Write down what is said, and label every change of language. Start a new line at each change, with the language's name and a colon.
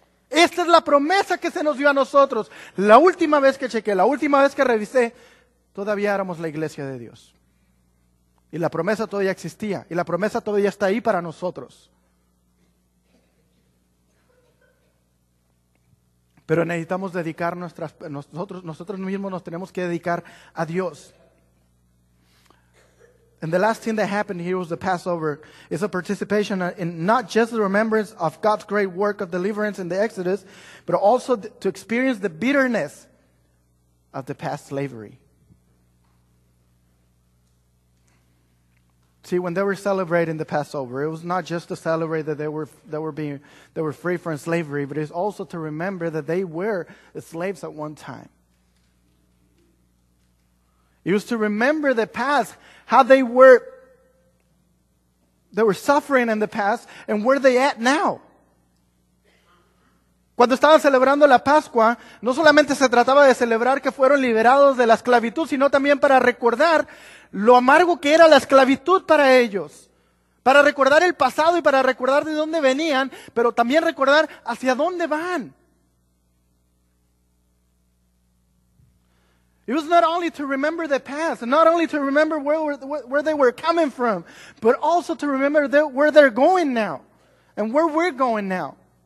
Spanish: Esta es la promesa que se nos dio a nosotros. La última vez que chequeé, la última vez que revisé, todavía éramos la iglesia de Dios. Y la promesa todavía existía. Y la promesa todavía está ahí para nosotros. Pero necesitamos dedicar nosotros mismos nos tenemos que dedicar a Dios.
English: And the last thing that happened here was the Passover. It's a participation in not just the remembrance of God's great work of deliverance in the Exodus, but also to experience the bitterness of the past slavery. See, when they were celebrating the Passover, it was not just to celebrate that they were free from slavery, but it's also to remember that they were slaves at one time. It was to remember the past, how they were that were suffering in the past, and where are they at now?
Spanish: Cuando estaban celebrando la Pascua, no solamente se trataba de celebrar que fueron liberados de la esclavitud, sino también para recordar lo amargo que era la esclavitud para ellos. Para recordar el pasado y para recordar de dónde venían, pero también recordar hacia dónde van.
English: It was not only to remember the past, not only to remember where they were coming from, but also to remember where they're going now and where we're going now.